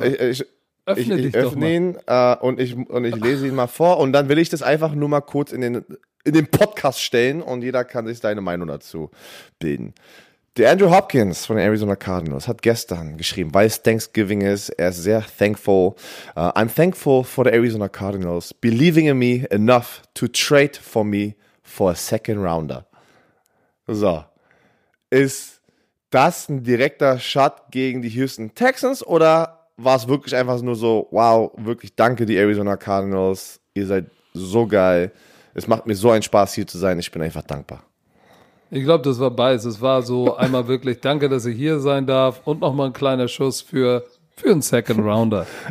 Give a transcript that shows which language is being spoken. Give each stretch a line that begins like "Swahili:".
German: Ich öffne ihn und lese ihn mal vor. Und dann will ich das einfach nur mal kurz in den Podcast stellen und jeder kann sich seine Meinung dazu bilden. Der Andrew Hopkins von den Arizona Cardinals hat gestern geschrieben, weil es Thanksgiving ist, er ist sehr thankful.
English: I'm thankful for the Arizona Cardinals believing in me enough to trade for me for a second rounder.
German: So. Ist das ein direkter Shot gegen die Houston Texans oder war es wirklich einfach nur so, wow, wirklich danke die Arizona Cardinals, ihr seid so geil. Es macht mir so einen Spaß, hier zu sein. Ich bin einfach dankbar. Ich glaube, das war beides. Es war so einmal wirklich danke, dass ich hier sein darf und nochmal ein kleiner Schuss für einen Second Rounder.